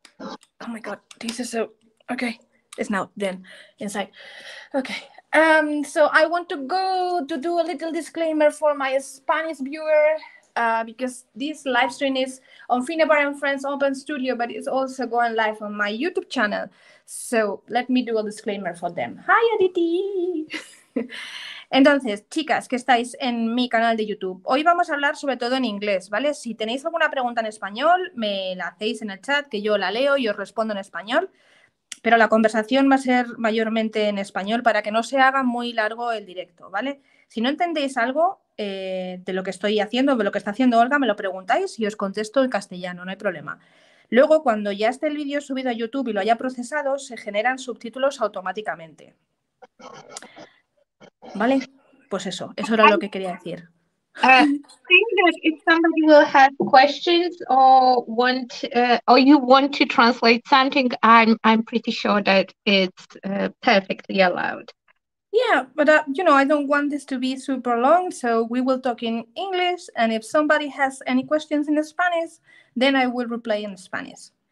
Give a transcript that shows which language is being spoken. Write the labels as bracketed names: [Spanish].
[English] Oh my God, this is so okay. It's now then inside. Okay, so I want to go to do a little disclaimer for my Spanish viewer. because this live stream is on Finnabair and Friends Open Studio, but it's also going live on my YouTube channel. So let me do a disclaimer for them. Hi, Aditi! [Spanish] Entonces, chicas que estáis en mi canal de YouTube, hoy vamos a hablar sobre todo en inglés, ¿vale? Si tenéis alguna pregunta en español, me la hacéis en el chat, que yo la leo y os respondo en español. Pero la conversación va a ser mayormente en español para que no se haga muy largo el directo, ¿vale? Si no entendéis algo de lo que estoy haciendo, de lo que está haciendo Olga, me lo preguntáis y os contesto en castellano, no hay problema. Luego, cuando ya esté el vídeo subido a YouTube y lo haya procesado, se generan subtítulos automáticamente. ¿Vale? Pues eso, eso era lo que quería decir. [English] I think that if somebody will have questions or want or you want to translate something, I'm pretty sure that it's perfectly allowed. Yeah, but you know, I don't want this to be super long, so we will talk in English, and if somebody has any questions in Spanish, then I will reply in Spanish.